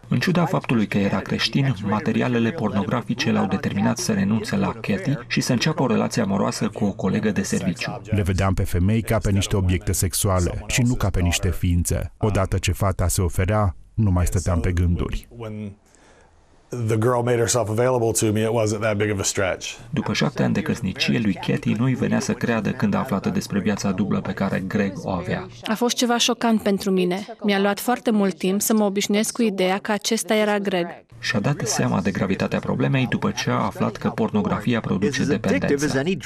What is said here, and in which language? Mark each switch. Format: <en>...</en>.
<ro>În ciuda faptului că era creștin, materialele pornografice l-au determinat să renunțe la Kathy și să înceapă o relație amoroasă cu o colegă de serviciu. Le vedeam pe femei ca pe niște obiecte sexuale și nu ca pe niște ființe. Odată ce fata se oferea, nu mai stăteam pe gânduri.</ro> <en>The girl made herself available to me. It wasn't that big of a stretch.</en> <ro>După 7 ani de căsnicie, lui Kathy nu-i venea să creadă când a aflat despre viața dublă pe care Greg o avea. A fost ceva șocant pentru mine. Mi-a luat foarte mult timp să mă obișnuiesc cu ideea că acesta era Greg. Și-a dat seama de gravitatea problemei după ce a aflat că pornografia produce dependență.</ro>